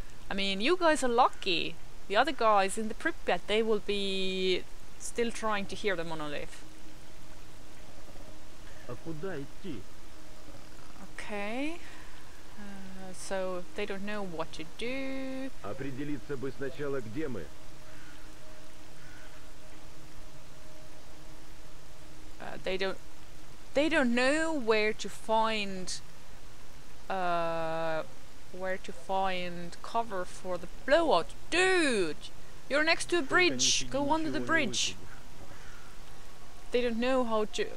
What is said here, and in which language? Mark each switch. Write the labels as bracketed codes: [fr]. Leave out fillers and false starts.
[en] I mean, you guys are lucky. The other guys in the Pripyat, they will be still trying to hear the monolith. Okay, so they don't know what to do. [ru] Определиться бы сначала, где мы. [en] They don't know where to find cover for the blowout. Dude, you're next to a bridge. Go under the bridge. They don't know how to.